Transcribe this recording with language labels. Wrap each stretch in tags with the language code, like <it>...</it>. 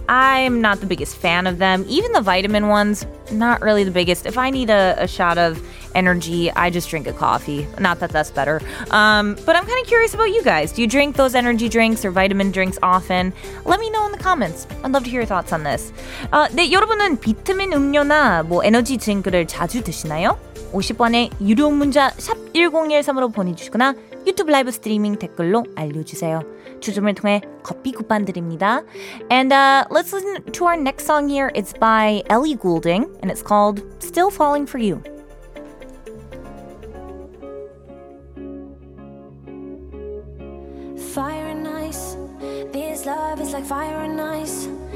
<en>I'm not the biggest fan of them. Even the vitamin ones, not really the biggest. If I need a shot of energy, I just drink a coffee. Not that that's better. But I'm kind of curious about you guys. Do you drink those energy drinks or vitamin drinks often? Let me know in the comments. I'd love to hear your thoughts on this.</en> <ko>네, 여러분은 비타민 음료나 뭐 에너지 드링크를 자주 드시나요? 50원에 유료 문자 샵 1013으로 보내주시거나 YouTube 라이브 스트리밍 댓글로 알려주세요. 추첨을 통해 커피 쿠폰 드립니다.</ko> <en>And let's listen to our next song here. It's by Ellie Goulding, and it's called Still Falling For You. Fire and ice, this love is like fire and ice.</en>